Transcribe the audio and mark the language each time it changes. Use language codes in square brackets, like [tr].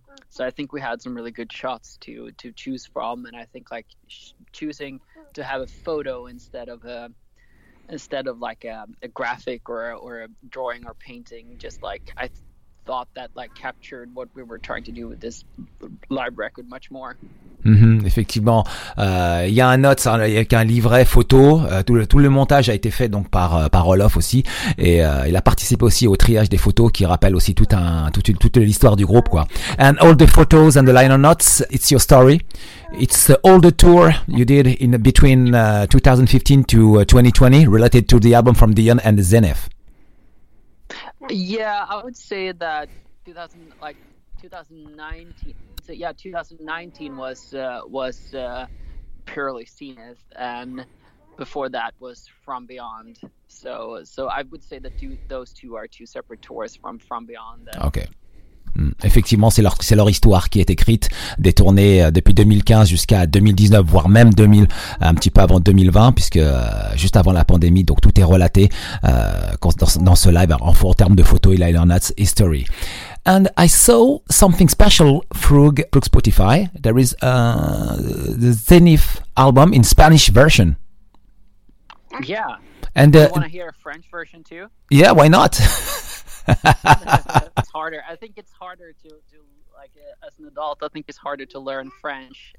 [en] So I think we had some really good shots to choose from, and I think like choosing to have a photo instead of like a graphic or a drawing or painting, just like I thought that like captured what we were trying to do with this live record much more. [fr] Effectivement, il y a un note, hein, avec un livret photo. Tout le montage a été fait donc par Olof aussi, et il a participé aussi au triage des photos, qui rappelle aussi toute l'histoire du groupe, quoi. [en] And all the photos and the liner notes, it's your story. It's all the tour you did in between 2015 to 2020 related to the album From Dion and the Zenith. Yeah, I would say that 2019. So yeah, 2019 was purely Zenith, and before that was From Beyond. So I would say that those two are two separate tours from Beyond. Okay. [fr] Effectivement, c'est leur histoire qui est écrite, des tournées depuis 2015 jusqu'à 2019, voire même 2000, un petit peu avant 2020, puisque juste avant la pandémie, donc tout est relaté dans ce live en termes de photos et liner notes history. [en] And I saw something special through Spotify. There is the Zenith album in Spanish version. Yeah. And do you want to hear a French version too? Yeah, why not? It's harder. I think it's harder to do, like, as an adult, I think it's harder to learn French.